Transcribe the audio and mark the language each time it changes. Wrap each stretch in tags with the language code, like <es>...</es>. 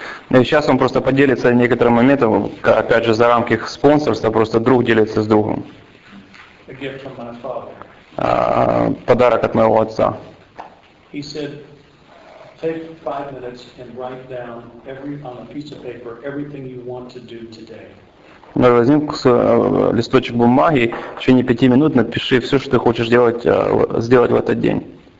<ru>Ну, сейчас он просто поделится некоторым моментом, опять же, за рамки спонсорства, просто друг делится с другом.</ru> <en>A gift from my father.</en> <ru>Подарок от моего отца.</ru> <en>He said, take 5 minutes and write down on a piece of paper everything you want to do today.</en> <ru>Ну, возьми листочек бумаги, в течение 5 минут напиши все, что ты хочешь сделать в этот день.</ru>